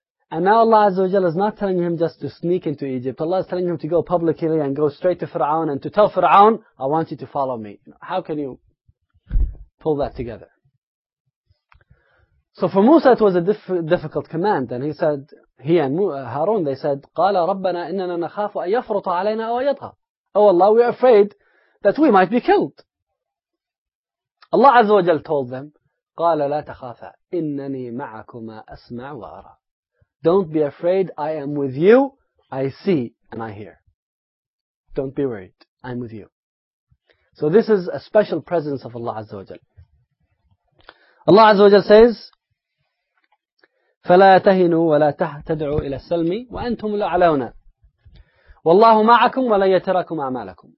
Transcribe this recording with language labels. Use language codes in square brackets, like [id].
[en] And now Allah Azza wa Jalla is not telling him just to sneak into Egypt. Allah is telling him to go publicly and go straight to Fir'aun and to tell Fir'aun, I want you to follow me. How can you pull that together? So for Musa it was a difficult command. And he and Harun, they said, [ar] قَالَ رَبَّنَا إِنَّنَا نَخَافُ أَن يَفْرُطَ عَلَيْنَا أَوْ يَطْغَى. [en] Oh Allah, we're afraid that we might be killed. Allah Azza wa Jal told them, [ar] قَالَ لَا تَخَافَ إِنَّنِي مَعَكُمَا أَسْمَعْ وَأَرَى. [en] Don't be afraid, I am with you, I see and I hear. Don't be worried, I'm with you. So this is a special presence of Allah Azza wa Jal. Allah Azza wa Jal says, [ar] فَلَا تَهِنُوا وَلَا تَدْعُوا إِلَى السَّلْمِ وَأَنْتُمُ الْأَعْلَوْنَ وَاللَّهُ مَعَكُمْ وَلَنْ يَتَرَكُمْ أَعْمَالَكُمْ.